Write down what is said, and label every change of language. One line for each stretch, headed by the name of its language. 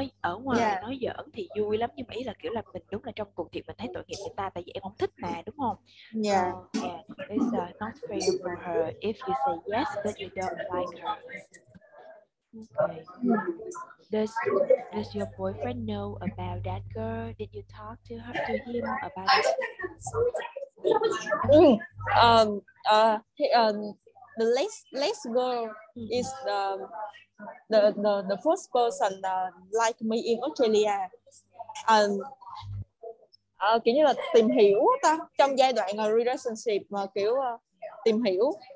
Vietnamese: Nói ở ngoài nói giỡn thì vui lắm, nhưng mà ý là kiểu là mình đúng là trong cuộc thiệt mình thấy tội nghiệp người ta, tại vì em không thích mà, đúng không?
English: Yeah. It's not fair for her if you say yes but you don't like her. Okay. Does your boyfriend know about that girl? Did you talk to her to him about it? The last girl is the first person like me in Australia.
Vietnamese: Kiểu như là tìm hiểu ta trong giai đoạn relationship mà kiểu tìm hiểu.